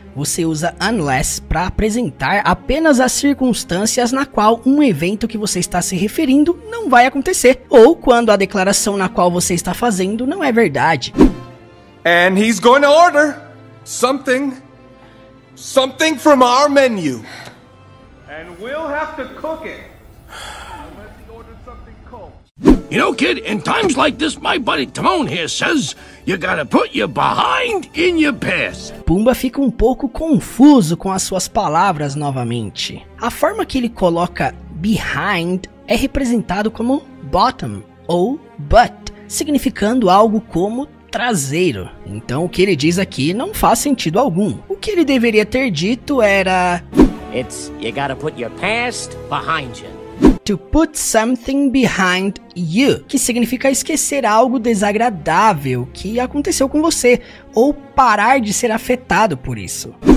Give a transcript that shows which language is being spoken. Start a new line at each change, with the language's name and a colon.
Portuguese: Você usa unless para apresentar apenas as circunstâncias na qual um evento que você está se referindo não vai acontecer, ou quando a declaração na qual você está fazendo não é verdade.
English: And he's going to order something from our menu. And we'll have to cook it. Unless he ordered something cold. You know, kid, in times like this, my buddy Timon here says you gotta put your behind in your past.
Portuguese: Pumba fica um pouco confuso com as suas palavras novamente. A forma que ele coloca behind é representado como bottom ou butt, significando algo como traseiro. Então o que ele diz aqui não faz sentido algum. O que ele deveria ter dito era...
English: It's you gotta put your past behind you. To put something behind you,
Portuguese: que significa esquecer algo desagradável que aconteceu com você, ou parar de ser afetado por isso.